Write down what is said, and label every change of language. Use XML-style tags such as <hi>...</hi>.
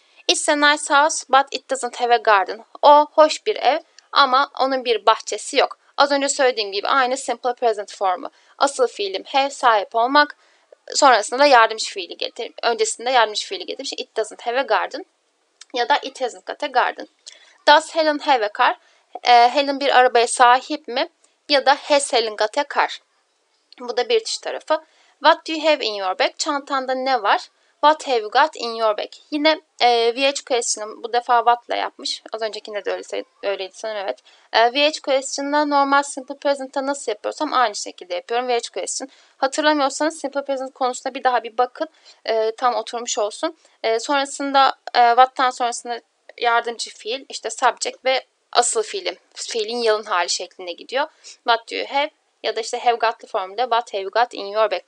<en>It's a nice house but it doesn't have a garden.</en> <tr>O hoş bir ev ama onun bir bahçesi yok. Az önce söylediğim gibi aynı simple present formu. Asıl fiilim have, sahip olmak. Sonrasında da yardımcı fiili getir. Öncesinde yardımcı fiili getir.</tr> <en>It doesn't have a garden.</en> <tr>Ya da</tr> <en>it hasn't got a garden. Does Helen have a car?</en> <tr>Helen bir arabaya sahip mi? Ya da</tr> <en>has Helen got a car?</en> <tr>Bu da British tarafı.</tr> <en>What do you have in your bag?</en> <tr>Çantanda ne var?</tr> <en>What have you got in your bag?</en> <tr>Yine VH question'ı bu defa what'la yapmış. Az öncekinde de öyleydi sanırım, evet. VH question'la normal simple present'a nasıl yapıyorsam aynı şekilde yapıyorum. VH question. Hatırlamıyorsanız simple present konusunda bir daha bir bakın. Tam oturmuş olsun. Sonrasında what'tan sonrasında yardımcı fiil, işte subject ve asıl fiilim. Fiilin yalın hali şeklinde gidiyor.</tr> <en>What do you have?</en> <tr>Ya da işte have got'lı formülde</tr> <en>what have you got in your bag?</en>